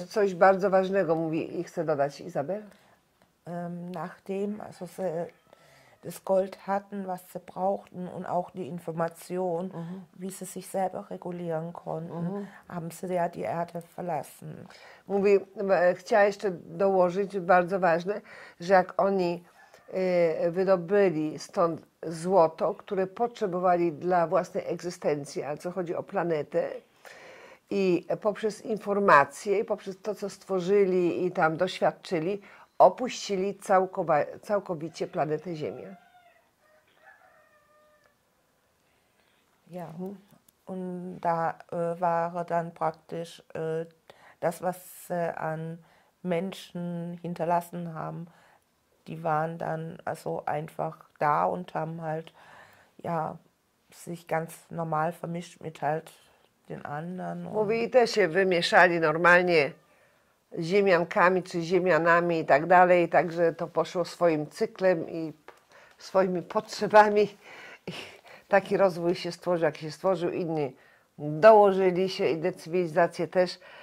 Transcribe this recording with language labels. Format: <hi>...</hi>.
<pl>Coś bardzo ważnego mówi i chce dodać Isabel.</pl> <de>Nachdem, also sie das Gold hatten, was sie brauchten und auch die Information, wie sie sich selber regulieren konnten, haben sie ja die Erde verlassen.</de> <pl>Mówi, chciała jeszcze dołożyć, bardzo ważne, że jak oni wydobyli stąd złoto, które potrzebowali dla własnej egzystencji, a co chodzi o planetę, i poprzez informacje, i poprzez to, co stworzyli i tam doświadczyli, opuścili całkowicie planetę Ziemię.</pl> <de>Ja. Und da war dann praktisch das, was sie an Menschen hinterlassen haben, die waren dann also einfach da und haben halt ja sich ganz normal vermischt mit halt den anderen.</de> <pl>Mówi, i te się wymieszali normalnie ziemiankami czy ziemianami i tak dalej, także to poszło swoim cyklem i swoimi potrzebami. I taki rozwój się stworzył, jak się stworzył, inni dołożyli się i decywilizacje też.</pl>